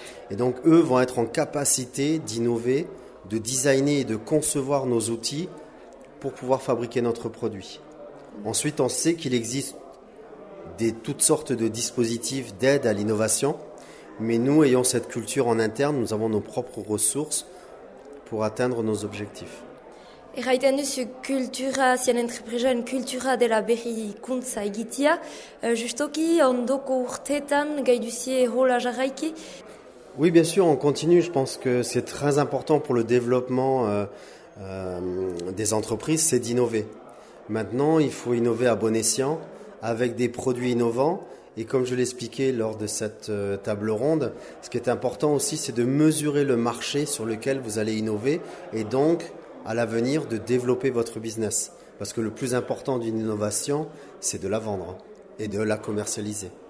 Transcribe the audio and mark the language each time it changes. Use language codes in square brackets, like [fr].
[fr] Et donc, eux vont être en capacité d'innover, de designer et de concevoir nos outils pour pouvoir fabriquer notre produit. Ensuite, on sait qu'il existe toutes sortes de dispositifs d'aide à l'innovation. Mais nous, ayant cette culture en interne, nous avons nos propres ressources pour atteindre nos objectifs. [eu] Erraiten duzu kultura, zien entreprezan kultura dela berrikuntza egitea. Justoki, ondoko urteetan gai duzie rola jarraiki? [fr] Oui, bien sûr, on continue. Je pense que c'est très important pour le développement des entreprises, c'est d'innover. Maintenant, il faut innover à bon escient, avec des produits innovants. Et comme je l'expliquais lors de cette table ronde, ce qui est important aussi, c'est de mesurer le marché sur lequel vous allez innover et donc, à l'avenir, de développer votre business. Parce que le plus important d'une innovation, c'est de la vendre et de la commercialiser.